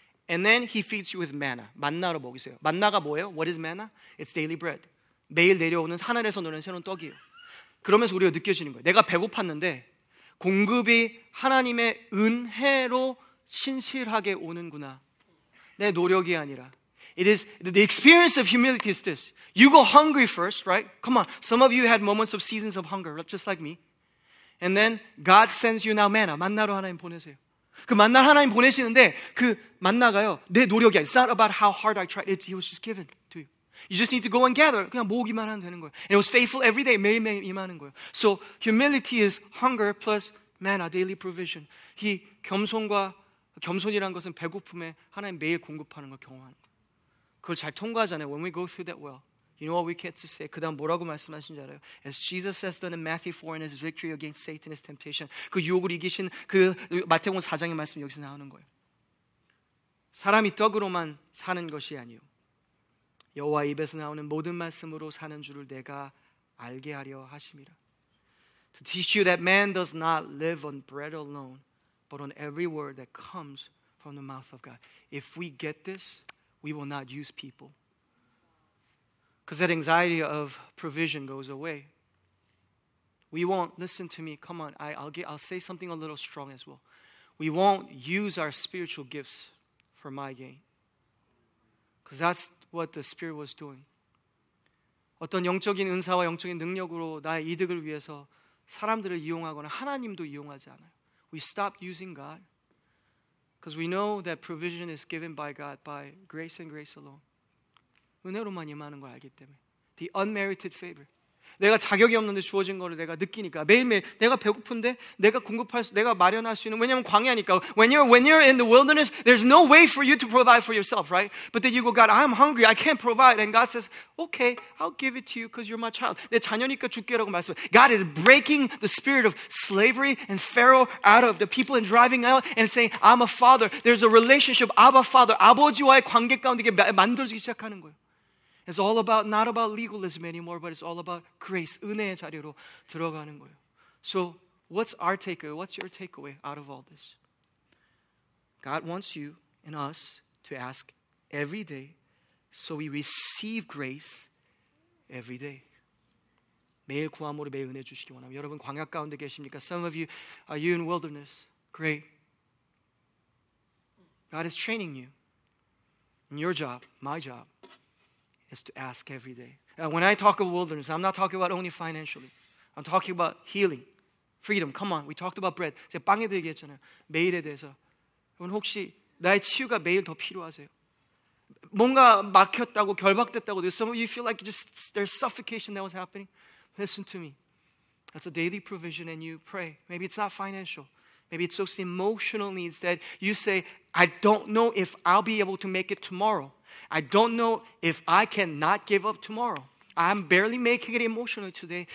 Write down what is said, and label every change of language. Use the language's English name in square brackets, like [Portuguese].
[English] And then he feeds you with manna. [Korean] 만나로 먹이세요. 만나가 뭐예요? [English] What is manna? It's daily bread. [Korean] 매일 내려오는 하늘에서 내려오는 새로운 떡이에요. 그러면서 우리가 느껴지는 거예요. 내가 배고팠는데 공급이 하나님의 은혜로 신실하게 오는구나. 내 노력이 아니라. [English] It is the experience of humility is this. You go hungry first, right? Come on. Some of you had moments of seasons of hunger, just like me. And then God sends you now manna. [Korean] 만나로 하나님 보내세요. 그 만나로 하나님 보내시는데 그 만나가요. 내 노력이야. [English] It's not about how hard I tried. It was just given to you. You just need to go and gather. [Korean] 그냥 모으기만 하면 되는 거예요. [English] And it was faithful every day. [Korean] 매일매일 임하는 거예요. [English] So humility is hunger plus manna, daily provision. [Korean] 이 겸손과 겸손이라는 것은 배고픔에 하나님 매일 공급하는 걸 경험하는 거예요. 그걸 잘 통과하잖아요. [English] When we go through that well, you know what we get to say? [Korean] 그 다음 뭐라고 말씀하신지 알아요? [English] As Jesus has done in Matthew 4 in his victory against Satan, his temptation. [Korean] 그 유혹을 이기신 그 마태복음 4장의 말씀이 여기서 나오는 거예요. 사람이 떡으로만 사는 것이 아니요 여호와 입에서 나오는 모든 말씀으로 사는 줄을 내가 알게 하려 하심이라. [English] To teach you that man does not live on bread alone, but on every word that comes from the mouth of God. If we get this, we will not use people. Because that anxiety of provision goes away. We won't, listen to me, come on, I'll say something a little strong as well. We won't use our spiritual gifts for my gain. Because that's what the Spirit was doing. [Korean] 어떤 영적인 은사와 영적인 능력으로 나의 이득을 위해서 사람들을 이용하거나 하나님도 이용하지 않아요. [English] We stop using God because we know that provision is given by God by grace and grace alone. [Korean] 은혜로만 임하는 걸 알기 때문에. [English] The unmerited favor. [Korean] 내가 자격이 없는데 주어진 거를 내가 느끼니까 매일매일 내가 배고픈데 내가 공급할 수 내가 마련할 수 있는 왜냐면 광야니까 [English] when you're in the wilderness there's no way for you to provide for yourself right but then you go God I'm hungry I can't provide and God says okay I'll give it to you because you're my child [Korean] 내 자녀니까 줄게라고 말씀 [English] God is breaking the spirit of slavery and Pharaoh out of the people and driving out and saying I'm a father there's a relationship Abba father [Korean] 아버지와의 관계 가운데 만들어지기 시작하는 거예요. [English] It's all about, not about legalism anymore, but it's all about grace, [Korean] 은혜의 자리로 들어가는 거예요. [English] So, what's our takeaway? What's your takeaway out of all this? God wants you and us to ask every day so we receive grace every day. [Korean] 매일 구함으로 매일 은혜 주시기 원합니다. 여러분, 광야 가운데 계십니까? [English] Some of you, are you in wilderness? Great. God is training you. And your job, my job, is to ask every day. When I talk of wilderness, I'm not talking about only financially. I'm talking about healing, freedom. Come on, we talked about bread. [Korean] 제가 빵에 대해 얘기했잖아요. 매일에 대해서. 여러분 혹시 나의 치유가 매일 더 필요하세요? 뭔가 막혔다고, 결박됐다고. [English] Some of you feel like there's suffocation that was happening. Listen to me. That's a daily provision and you pray. Maybe it's not financial. Maybe it's those emotional needs that you say, I don't know if I'll be able to make it tomorrow. I don't know if I cannot give up tomorrow. I'm barely making it emotionally today.